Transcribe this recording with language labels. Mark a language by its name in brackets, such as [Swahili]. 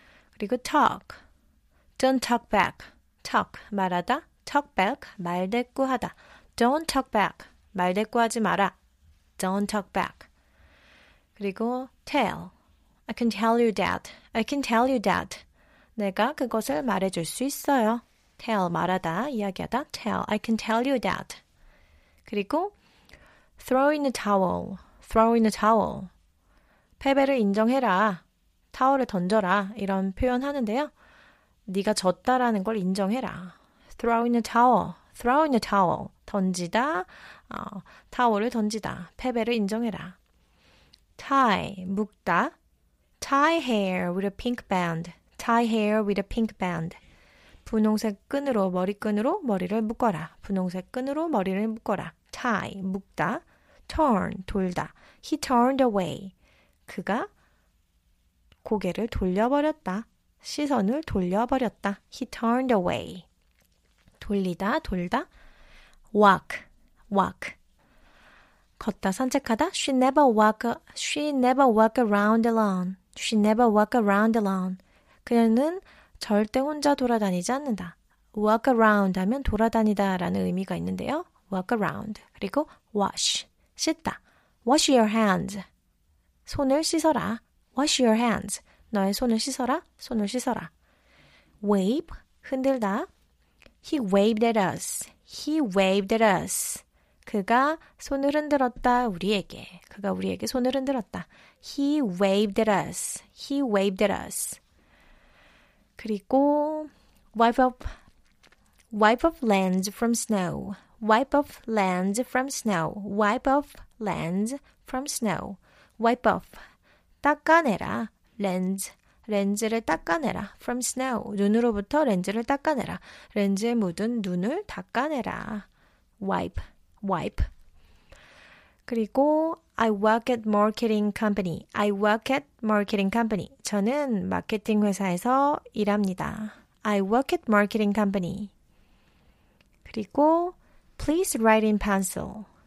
[English] 그리고 talk. Don't talk back. Talk. [Korean] 말하다. [English] Talk back. [Korean] 말 대꾸하다. [English] Don't talk back. [Korean] 말 대꾸하지 마라. [English] Don't talk back. [Korean] 그리고 tell. [English] I can tell you that. I can tell you that. [Korean] 내가 그것을 말해줄 수 있어요. Tell, 말하다, 이야기하다. [English] Tell, I can tell you that. 그리고 throw in the towel. Throw in the towel. [Korean] 패배를 인정해라. 타월을 던져라. 이런 표현하는데요. 네가 졌다라는 걸 인정해라. [English] Throw in the towel. Throw in the towel. 던지다. [Korean] 타월을 던지다. 패배를 인정해라. Tie, 묶다. [English] Tie hair with a pink band. Tie hair with a pink band. [Korean] 분홍색 끈으로, 머리끈으로 머리를 묶어라. 분홍색 끈으로 머리를 묶어라. [English] Tie, 묶다. Turn, 돌다. He turned away. [Korean] 그가 고개를 돌려버렸다. 시선을 돌려버렸다. [English] He turned away. [Korean] 돌리다, 돌다. Walk. 걷다, 산책하다. [English] She never walk around alone. She never walk around alone. [Korean] 그녀는 절대 혼자 돌아다니지 않는다. Walk around 하면 돌아다니다 라는 의미가 있는데요. Walk around. 그리고 wash. 씻다. [English] Wash your hands. [Korean] 손을 씻어라. Wash your hands. 너의 손을 씻어라. 손을 씻어라. Wave. 흔들다. [English] He waved at us. He waved at us. [Korean] 그가 손을 흔들었다. 우리에게. 그가 우리에게 손을 흔들었다. [English] He waved at us. He waved at us. 그리고 wipe off lands from snow. Wipe off lands from snow. Wipe off lands from snow. Wipe off. 닦아내라. Lens를 닦아내라. From snow. [Korean] 눈으로부터 렌즈를 닦아내라. 렌즈에 묻은 눈을 닦아내라. [English] Wipe. 그리고 I work at marketing company. I work at marketing company. [Korean] 저는 마케팅 회사에서 일합니다. [English] I work at marketing company. 그리고 please write in pencil.